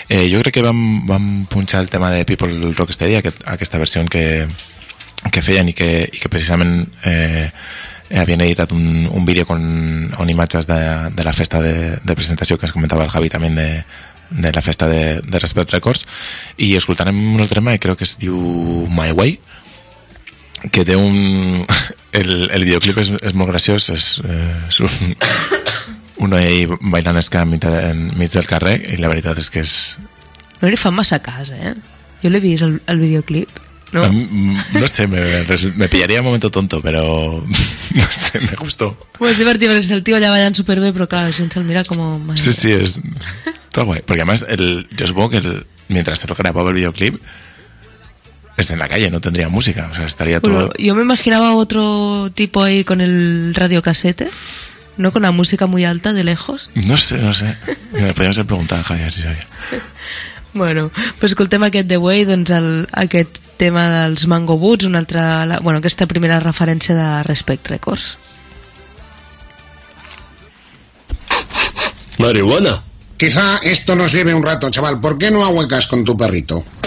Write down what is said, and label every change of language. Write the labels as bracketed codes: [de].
[ca] Jo crec que vam punxar el tema de People Rocksteady, aquesta versió que feien i que precisament havien editat un vídeo on imatges de la festa de presentació que ens comentava el Javi, també de la festa de Respect Records, i escoltarem un altre tema que crec que es diu My Way, que té un... El videoclip és molt graciós, és un noi bailant esca enmig del carrer, i la veritat és que és... No li fan massa cas, eh? Jo l'he vist, el videoclip. No. [es] No sé, me pillaría un momento tonto, pero no sé, me gustó. Pues divertido, porque el tío ya va allá súper bien, pero claro, la gente lo mira como... Madre. Sí, sí, es todo guay. Porque además, yo supongo que mientras se lo grababa el videoclip, es en la calle, no tendría música. O sea, estaría todo... Bueno, yo me imaginaba otro tipo ahí con el radiocasete, ¿no? Con la música muy alta, de lejos. No sé. Me podríamos haber preguntado a Javier si sabía. [ca] Bueno, pues escoltem aquest The Way, doncs aquest tema dels Mango Boots, una altra, bueno, aquesta primera referència de Respect Records. [es] Marihuana. Quizá esto nos lleve un rato, chaval. ¿Por qué no ahuecas con tu perrito?